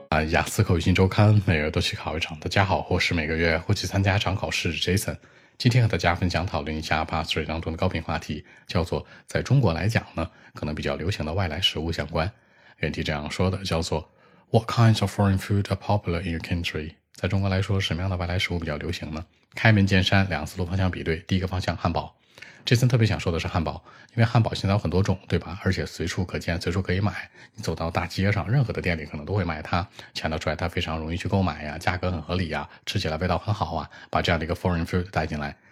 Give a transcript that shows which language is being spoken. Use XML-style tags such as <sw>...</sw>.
<zh>雅思口语新周刊，每月都去考一场。大家好，我是每个月会去参加一场考试 Jason。今天和大家分享讨论一下 Part 3当中的高频话题，叫做在中国来讲呢，可能比较流行的外来食物相关。原题这样说的，叫做</zh> <en>What kinds of foreign food are popular in your country?</en> <zh>在中国来说，什么样的外来食物比较流行呢？开门见山，两思路方向比对。第一个方向，汉堡。这次特别想说的是汉堡，因为汉堡现在有很多种，对吧？而且随处可见，随处可以买，你走到大街上任何的店里可能都会卖它，强调出来它非常容易去购买呀，价格很合理呀，吃起来味道很好啊，把这样的一个 foreign food 带进来。</zh>